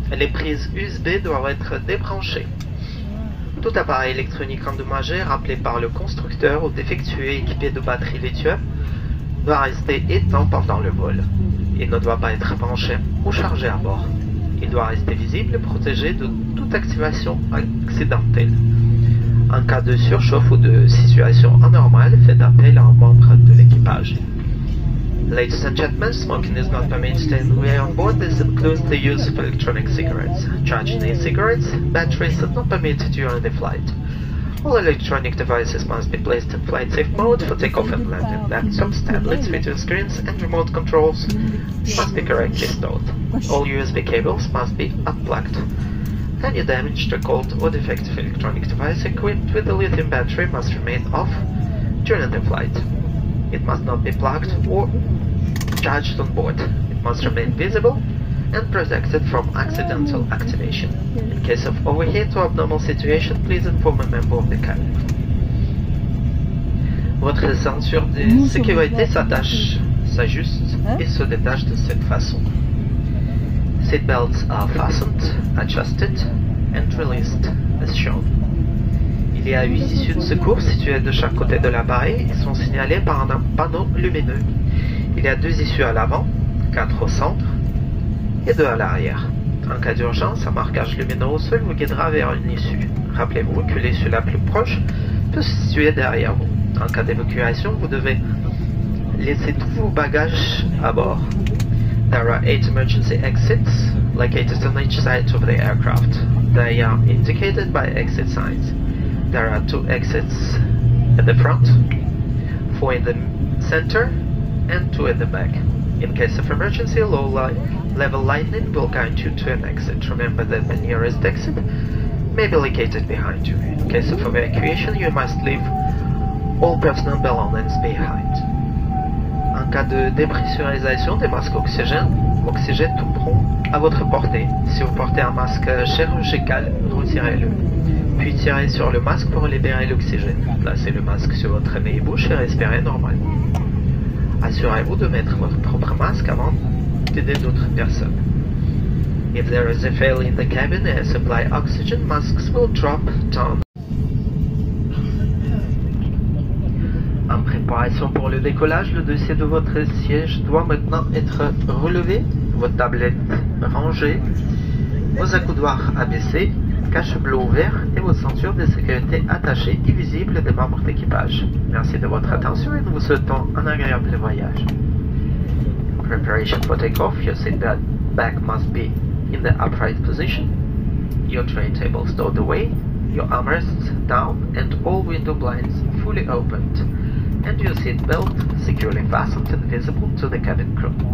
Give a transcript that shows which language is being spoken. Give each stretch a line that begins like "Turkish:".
French: Les prises USB doivent être débranchées. Tout appareil électronique endommagé, rappelé par le constructeur ou défectueux équipé de batterie lithium, doit rester éteint pendant le vol. Il ne doit pas être branché ou chargé à bord. Il doit rester visible et protégé de toute activation accidentelle. En cas de surchauffe ou de situation anormale, faites appel à un membre de l'équipage.
English: Ladies and gentlemen, smoking is not permitted and we are on board. This includes the use of electronic cigarettes. Charging e-cigarettes, batteries are not permitted during the flight. All electronic devices must be placed in flight safe mode for takeoff and landing. Laptops, tablets, video screens and remote controls must be correctly stored. All USB cables must be unplugged. Any damaged, recalled or defective electronic device equipped with a lithium battery must remain off during the flight. It must not be plugged or charged on board. It must remain visible and protected from accidental activation. In case of overheat or abnormal situation, please inform a member of the cabin.
French: Votre ceinture de sécurité s'attache, s'ajuste et se détache de cette façon.
English: Seat belts are fastened, adjusted and released as shown.
French: Il y a 8 issues de secours situées de chaque côté de l'appareil et sont signalées par un panneau lumineux. Il y a 2 issues à l'avant, 4 au centre et 2 à l'arrière. En cas d'urgence, un marquage lumineux au sol vous guidera vers une issue. Rappelez-vous que l'issue la plus proche peut se situer derrière vous. En cas d'évacuation, vous devez laisser tous vos bagages à bord.
English: There are 8 emergency exits located on each side of the aircraft. They are indicated by exit signs. There are 2 exits at the front, 4 in the center, and 2 at the back. In case of emergency, low-level lightning will guide you to an exit. Remember that the nearest exit may be located behind you. In case of evacuation, you must leave all personal belongings behind.
French: En cas de dépressurisation des masques oxygène, l'oxygène tombera à votre portée. Si vous portez un masque chirurgical, retirez-le. Puis tirez sur le masque pour libérer l'oxygène. Placez le masque sur votre nez et bouche et respirez normalement. Assurez-vous de mettre votre propre masque avant d'aider d'autres personnes.
English: If there is a failure in the cabin and supply oxygen, masks will drop down.
French: En préparation pour le décollage, le dossier de votre siège doit maintenant être relevé, votre tablette rangée, vos accoudoirs abaissés, cache bleu ouvert et vos ceintures de sécurité attachées et visibles des membres d'équipage. Merci de votre attention et nous vous souhaitons un agréable voyage.
English: In preparation for takeoff, your seatbelt bag must be in the upright position, your tray table stowed away, your armrests down and all window blinds fully opened, and your seatbelt securely fastened and visible to the cabin crew.